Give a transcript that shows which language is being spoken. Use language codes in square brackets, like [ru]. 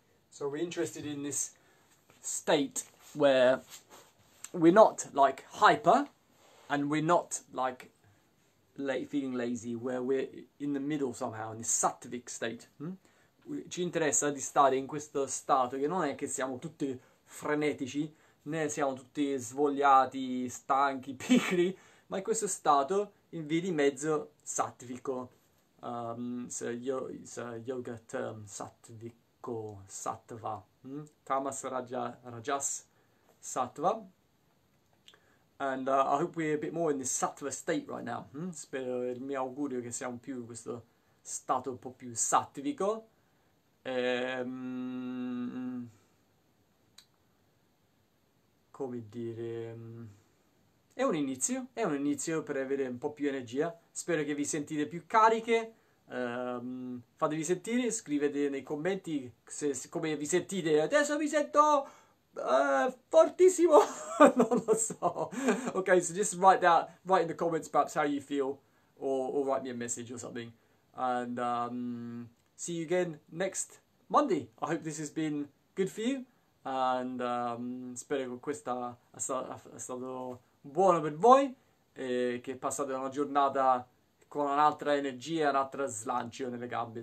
[en] So we're interested in this state where we're not like hyper and we're not like feeling lazy, where we're in the middle somehow, in this sattvic state. [it] Ci interessa di stare in questo stato che non è che siamo tutti frenetici, né siamo tutti svogliati, stanchi, pigri, ma è questo stato in via di mezzo sattvico. Se yogat sattvico sattva, tamas rajas sattva. [en] And I hope we're a bit more in this sattva state right now. [it] Spero, il mio augurio che siamo più in questo stato un po' più sattvico. Come dire, è un inizio per avere un po' più energia. Spero che vi sentite più cariche. Fatevi sentire, scrivete nei commenti se come vi sentite. Adesso mi sento fortissimo. Non lo so. [en] Ok, so just write in the comments perhaps how you feel, or write me a message or something. And see you again next Monday. I hope this has been good for you, and [it] spero che questa sia stato buono per voi e che passate una giornata con un'altra energia, un'altra slancio nelle gambe.